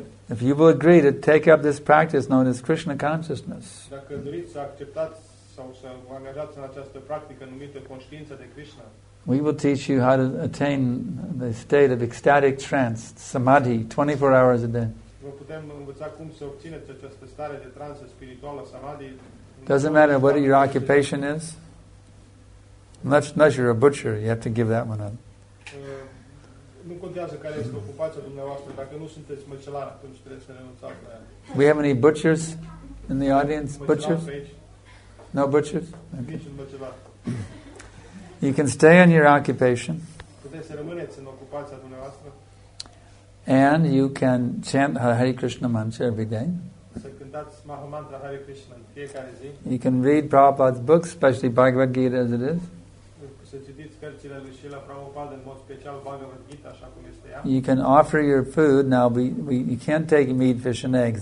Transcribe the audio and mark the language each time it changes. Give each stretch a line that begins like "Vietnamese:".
English: If you will agree to take up this practice known as Krishna consciousness.
Romanian: Dacă doriți să acceptați sau să vă angajați în această practică numită conștiința de Krishna.
English: We will teach you how to attain the state of ecstatic trance, samadhi, 24 hours a day.
Romanian: Vă putem învăța cum să obțineți această stare de transă spirituală, samadhi.
English: Doesn't matter what your occupation is. Unless you're a butcher, you have to give that one up.
Romanian: Nu contează care este ocupația dumneavoastră. Dacă nu sunteți măcelar, atunci trebuie să renunțați la ea.
English: We have any butchers in the audience? Butchers? No butchers? Okay. You can stay in your occupation.
Romanian: Puteți să rămâneți în ocupația dumneavoastră.
English: And you can chant Hare Krishna mantra every day.
Romanian: Să cântați Maha Mantra Hare Krishna în fiecare zi.
English: You can read Prabhupada's books, especially Bhagavad Gita as it is.
Romanian: Să citiți cărțile lui Srila Prabhupada, în mod special Bhagavad Gita, așa cum este ea.
English: You can offer your food. Now, you can't take meat, fish and eggs.